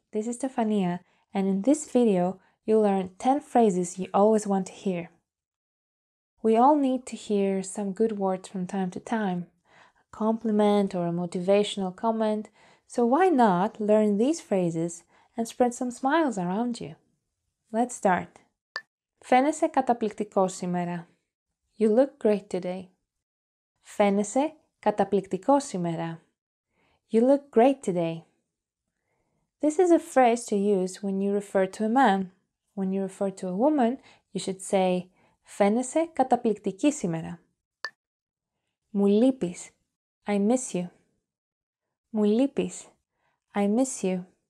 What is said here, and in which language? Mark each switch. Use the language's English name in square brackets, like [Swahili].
[English] This is Stefania, and in this video, you'll learn 10 phrases you always want to hear. We all need to hear some good words from time to time, a compliment or a motivational comment, so why not learn these phrases and spread some smiles around you? Let's start. [Greek] Φαίνεσαι καταπληκτικός σήμερα. [English] You look great today. [Greek] Φαίνεσαι καταπληκτικός σήμερα. [English] You look great today. This is a phrase to use when you refer to a man. When you refer to a woman, you should say [Greek] Φαίνεσαι καταπληκτική σήμερα. Μου λείπεις. [English] I miss you. [Greek] Μου λείπεις. [English] I miss you.